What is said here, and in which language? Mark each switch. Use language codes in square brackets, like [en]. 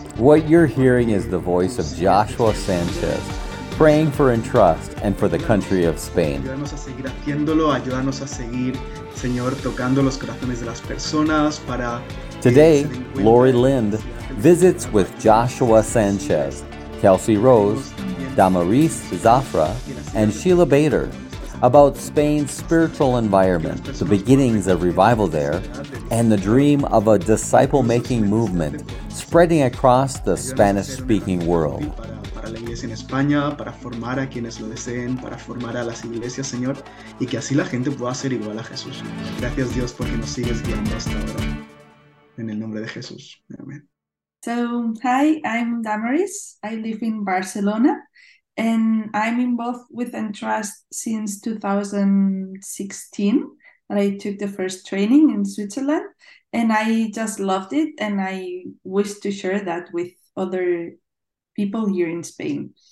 [en] What you're hearing is the voice of Joshua Sanchez praying for Entrust and for the country of Spain. [es] Ayúdanos a seguir haciéndolo, ayúdanos a seguir, Señor, tocando los corazones de las personas para... [en] Today, Laurie Lind visits with Joshua Sanchez, Kelsey Rose, Dámaris Zafra, and Sheila Bader about Spain's spiritual environment, the beginnings of revival there, and the dream of a disciple-making movement spreading across the Spanish-speaking world. [es] Para la iglesia en España, para formar a quienes lo deseen, para formar a las iglesias, Señor, y que así la gente pueda ser igual a Jesús. Gracias, Dios, porque nos sigues guiando hasta ahora. En el nombre de Jesús. Amén. [en] So, hi, I'm Dámaris. I live in Barcelona, and I'm involved with Entrust since 2016, that I took the first training in Switzerland, and I just loved it, and I wish to share that with other people here in Spain.